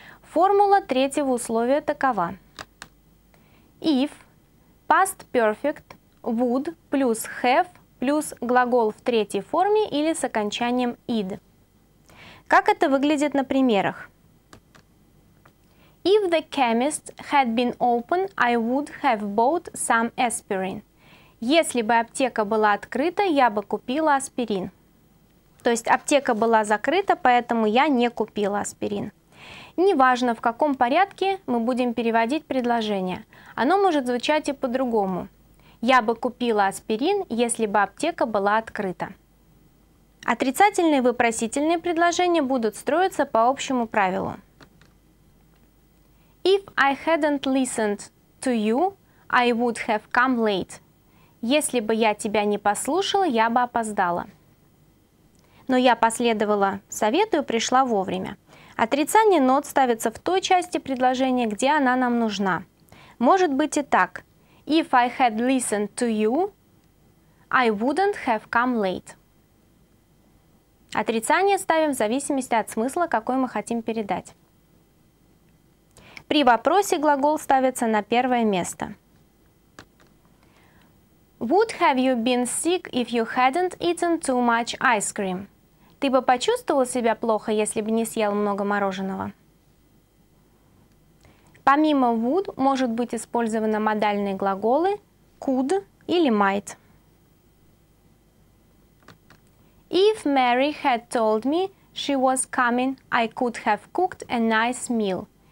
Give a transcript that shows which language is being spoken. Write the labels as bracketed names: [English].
[Russian] Формула третьего условия такова. If past perfect would плюс have плюс глагол в третьей форме или с окончанием id. Как это выглядит на примерах? [English] If the chemist had been open, I would have bought some aspirin. [Russian] Если бы аптека была открыта, я бы купила аспирин. То есть аптека была закрыта, поэтому я не купила аспирин. Неважно, в каком порядке мы будем переводить предложение. Оно может звучать и по-другому. Я бы купила аспирин, если бы аптека была открыта. Отрицательные и вопросительные предложения будут строиться по общему правилу. [English] If I hadn't listened to you, I would have come late. [Russian] Если бы я тебя не послушала, я бы опоздала. Но я последовала совету и пришла вовремя. Отрицание not ставится в той части предложения, где она нам нужна. Может быть и так. [English] If I had listened to you, I wouldn't have come late. [Russian] Отрицание ставим в зависимости от смысла, какой мы хотим передать. При вопросе глагол ставится на первое место. [English] Would have you been sick if you hadn't eaten too much ice cream? [Russian] Ты бы почувствовал себя плохо, если бы не съел много мороженого? Помимо would, может быть использованы модальные глаголы could или might. [English] If Mary had told me she was coming, I could have cooked a nice meal.